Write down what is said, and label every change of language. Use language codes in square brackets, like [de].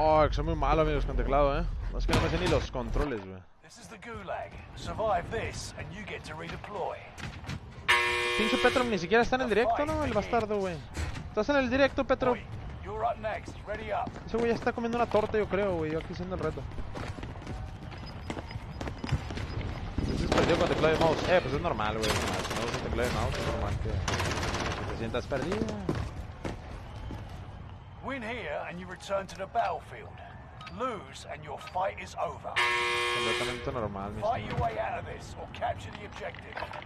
[es] Son muy malos, amigos, con teclado, Más que no me hacen ni los controles, güey. [en] This is the gulag. Survive this and you get to redeploy. [es] Pinche Petro, ni siquiera está en el directo, ¿no? El bastardo, güey. Estás en el directo, Petro. [en] You're up next. Ready up. [es] Ese güey ya está comiendo una torta, yo creo, güey. Yo aquí haciendo el reto. Se perdió con teclado y mouse. Pues es normal, güey. Si no usas teclado y mouse, es normal que te sientas perdido. [en] Win here and you return to the battlefield. Lose and your fight is over. [es] Completamente normal, mismo. [en] Fight your way out of this or capture the objective.